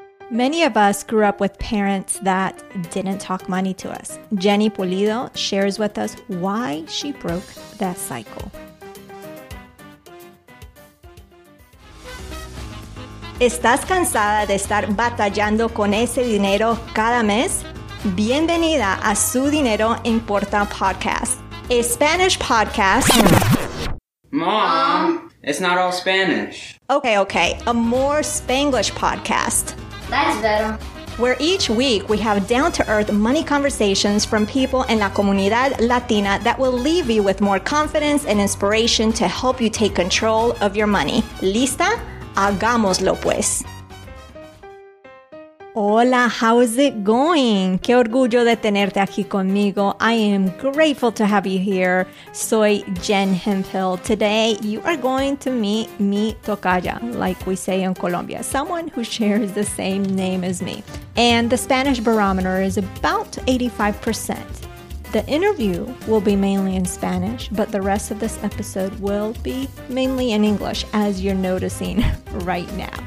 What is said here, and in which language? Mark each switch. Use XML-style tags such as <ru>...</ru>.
<en>Many of us grew up with parents that didn't talk money to us. Jenny Pulido shares with us why she broke that cycle.</en> <es>¿Estás cansada de estar batallando con ese dinero cada mes? Bienvenida a Su Dinero Importa Podcast,</es> <en>a Spanish podcast. Mom, it's not all Spanish. Okay, a more Spanglish podcast. That's better. Where each week we have down-to-earth money conversations from people in</en> <es>la comunidad latina</es> <en>that will leave you with more confidence and inspiration to help you take control of your money.</en> <es>¿Lista? Hagámoslo pues. Hola,</es> <en>how is it going?</en> <es>Qué orgullo de tenerte aquí conmigo.</es> <en>I am grateful to have you here.</en> <es>Soy Jen Hemphill.</es> <en>Today, you are going to meet</en> <es>mi tocaya,</es> <en>like we say in Colombia, someone who shares the same name as me. And the Spanish barometer is about 85%. The interview will be mainly in Spanish, but the rest of this episode will be mainly in English, as you're noticing right now.</en>